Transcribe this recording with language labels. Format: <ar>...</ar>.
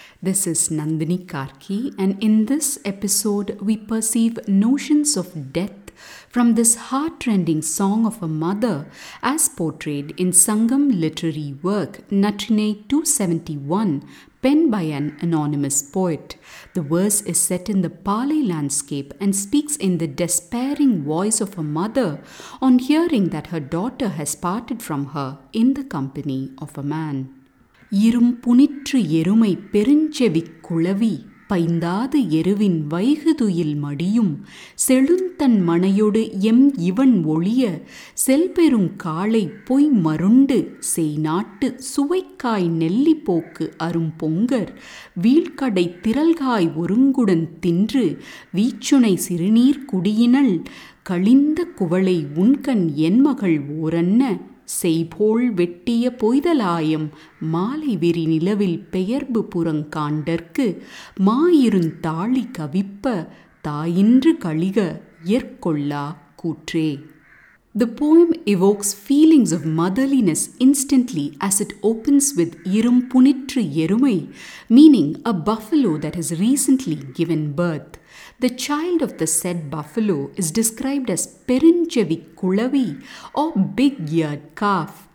<en>This is Nandini Karki, and in this episode we perceive notions of death from this heartrending song of a mother as portrayed in Sangam literary work Natrinai 271, penned by an anonymous poet. The verse is set in the Paalai landscape and speaks in the despairing voice of a mother on hearing that her daughter has parted from her in the company of a man.</en> <ta>Irum punitru erumai perinchevi kulavi paindadu eruvin vaiguduil madiyum selunthan manayodu em ivan oliya selperum kaalai poi marundu seinaattu suvaikkai nelli pokku arum pongar veelkadai thiralgai urungudan tindru veechunai sirineer kudiyinal kalinda kuvalai unkan enmagal ooranna செய்போல் வெட்டிய பொய்தலாயம் மாலை விரி நிலவில் பெயர்பு புறங்காண்டற்கு மாயிருந்தாளி கவிப்ப தாயின்று கழிக ஏற்கொள்ளா கூற்றே.</ta> <en>The poem evokes feelings of motherliness instantly as it opens with irum punitru erumai, meaning a buffalo that has recently given birth. The child of the said buffalo is described as perinchevi kulavi or big-eared calf.</en>